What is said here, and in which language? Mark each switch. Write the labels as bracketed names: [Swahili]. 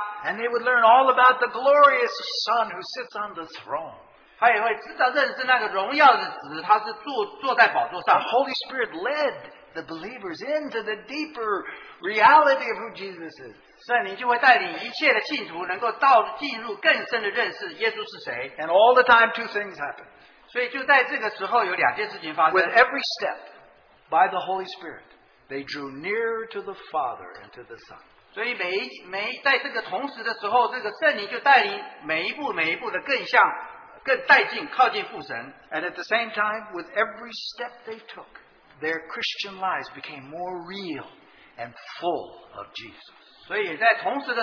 [English] And they would learn all about the glorious Son who sits on the throne. [Chinese] 他也会知道认识那个荣耀的子，他是坐在宝座上。 [English] The Holy Spirit led the believers into the deeper reality of who Jesus is. [Chinese] 圣灵就会带领一切的信徒能够进入更深的认识耶稣是谁。 [English] And all the time two things happen. [Chinese] 所以就在这个时候有两件事情发生。 [English] With every step by the Holy Spirit, they drew nearer to the Father and to the Son. [Chinese] 所以在这个同时的时候，这个圣灵就带领每一步每一步的更像。更带近, [English] and at the same time, with every step they took, their Christian lives became more real and full of Jesus.